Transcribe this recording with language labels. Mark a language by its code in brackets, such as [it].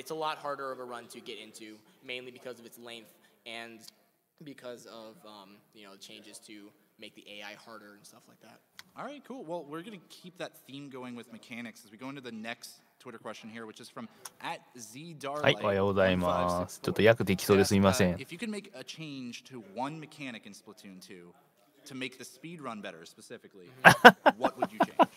[en] It's a lot harder of a run to get into, mainly because of its length and because of changes to make the AI harder and stuff like that. All right, cool. Well, we're going to keep that theme going with mechanics as we go into the nextTwitter question here, which is from at zdarlight. [ja] はい、おはようございます。ちょっと訳できそうですみません。 [en] If you can make a change to one mechanic in Splatoon 2 to make the speed run better specifically, what would you change?